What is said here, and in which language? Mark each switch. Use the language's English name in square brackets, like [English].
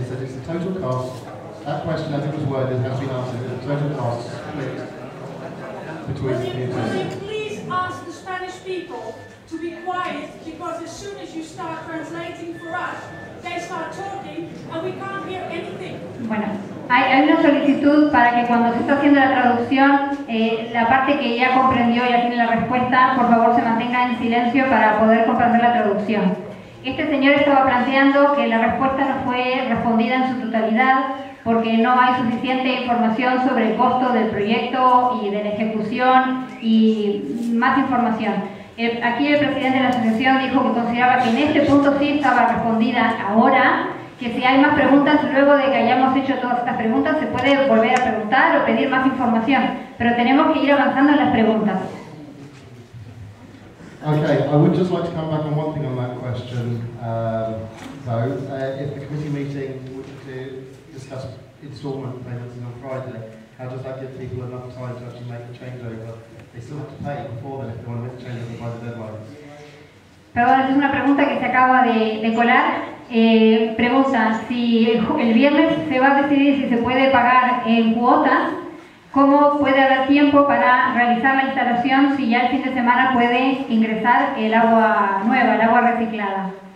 [English] It's that it's the total cost. That question, I think, was worded, has been answered. The total cost split between the two. Ask the Spanish people to be quiet, because as soon as you start translating for us, they start talking and we can't hear anything. [Spanish] Bueno. Hay una solicitud para que cuando se está haciendo la traducción, la parte que ya comprendió y ya tiene la respuesta, por favor se mantenga en silencio para poder comprender la traducción. Este señor estaba planteando que la respuesta no fue respondida en su totalidad porque no hay suficiente información sobre el costo del proyecto y de la ejecución y más información. Aquí el presidente de la asociación dijo que consideraba que en este punto sí estaba respondida ahora, que si hay más preguntas, luego de que hayamos hecho todas estas preguntas, se puede volver a preguntar o pedir más información. Pero tenemos que ir avanzando en las preguntas. [English] Okay, I would just like to come back on one thing on that question, if the committee meeting were to discuss installment payments on Friday, how does that give people enough time to actually make the changeover? They still have to pay before then if they want to make the changeover by the deadline. [Spanish] Perdón, es una pregunta que se acaba de colar. Pregunta, si el viernes se va a decidir si se puede pagar en cuotas, ¿cómo puede haber tiempo para realizar la instalación si ya el fin de semana puede ingresar el agua nueva, el agua reciclada?